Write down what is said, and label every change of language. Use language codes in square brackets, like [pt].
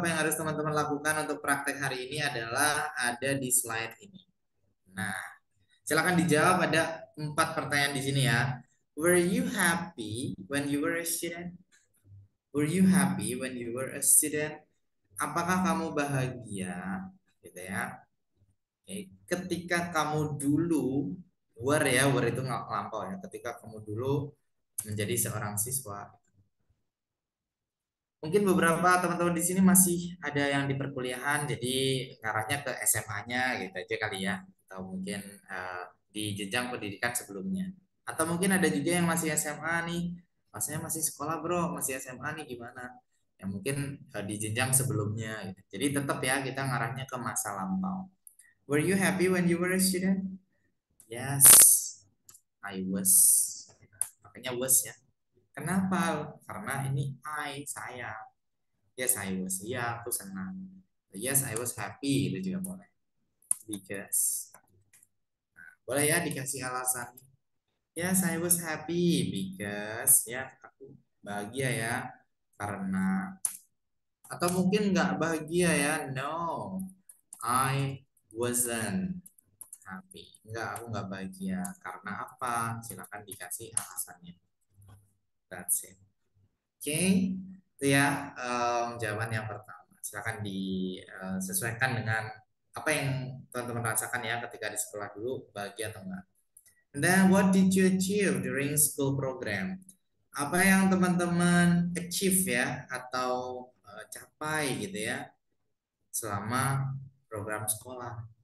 [id] Apa yang harus teman-teman lakukan untuk praktek hari ini adalah ada di slide ini. Nah, silakan dijawab, ada 4 pertanyaan di sini ya. [en] Were you happy when you were a student? Were you happy when you were a student? [id] Apakah kamu bahagia, gitu ya? Okay. Ketika kamu dulu were ya, were itu nggak lampau ya. Ketika kamu dulu menjadi seorang siswa. Mungkin beberapa teman-teman di sini masih ada yang di perkuliahan, jadi ngarahnya ke SMA-nya gitu aja kali ya, atau mungkin di jenjang pendidikan sebelumnya. Atau mungkin ada juga yang masih SMA nih, maksudnya masih sekolah bro, masih SMA nih gimana? Ya mungkin di jenjang sebelumnya. Gitu. Jadi tetap ya kita ngarahnya ke masa lampau. [en] Were you happy when you were a student? Yes, I was. [id] Makanya was ya. Kenapa? Karena ini I, saya. [en] Yes, I was. [id] Iya, yeah, aku senang. [en] Yes, I was happy. [id] Itu juga boleh. [en] Because. [id] Nah, boleh ya dikasih alasan. [en] Yes, I was happy. Because. [id] Ya, yeah, aku bahagia ya. Karena. Atau mungkin nggak bahagia ya. [en] No, I wasn't happy. [id] Nggak, aku nggak bahagia. Karena apa? Silakan dikasih alasannya. [en] That's it. [id] Okay, itu ya jawaban yang pertama. Silakan disesuaikan dengan apa yang teman-teman rasakan ya ketika di sekolah dulu, bahagia atau enggak. [en] And then, what did you achieve during school program? [id] Apa yang teman-teman achieve ya atau capai gitu ya selama program sekolah?